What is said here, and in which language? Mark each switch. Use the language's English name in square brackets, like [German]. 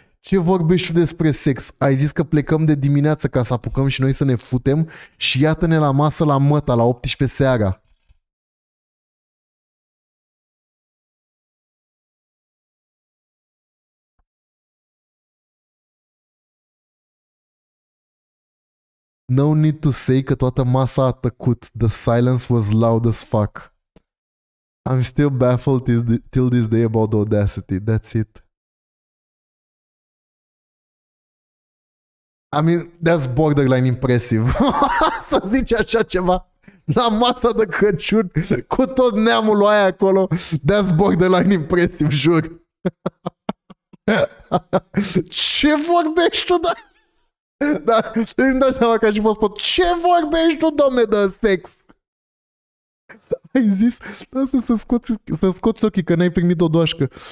[Romanian] Ce vorbești tu despre sex? Ai zis că plecăm de dimineață ca să apucăm și noi să ne futem și iată-ne la masă la măta la 18 seara. [English] No need to say [Romanian] că toată masa a tăcut. [English] The silence was loud as fuck. I'm still baffled till this day about the audacity. That's it. I mean, that's borderline impressive. [Romanian] Să zici așa ceva la masa de Crăciun cu tot neamul ăia acolo. [English] That's borderline impressive, [Romanian] jur. Ce vorbești tu, da? Îmi dai seama că aș fi fost pe... Ce vorbești tu, domne, de sex? Ai zis, da, să scoți ochii că n-ai primit o doașcă.